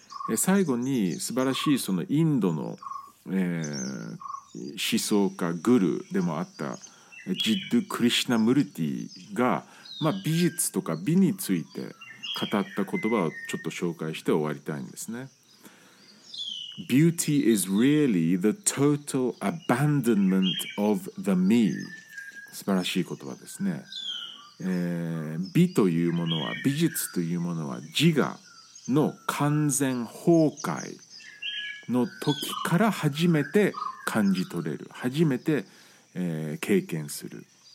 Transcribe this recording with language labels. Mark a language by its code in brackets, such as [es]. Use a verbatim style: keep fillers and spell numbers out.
[ja] え最後に素晴らしいそのインドの、えー、思想家グルでもあったジッドゥ・クリシュナムルティが、まあ、美術とか美について語った言葉をちょっと紹介して終わりたいんですね。 [en] Beauty is really the total abandonment of the me。 [ja] 素晴らしい言葉ですね。えー、美というものは、美術というものは自我の完全崩壊の時から初めて感じ取れる、初めて、えー、経験する、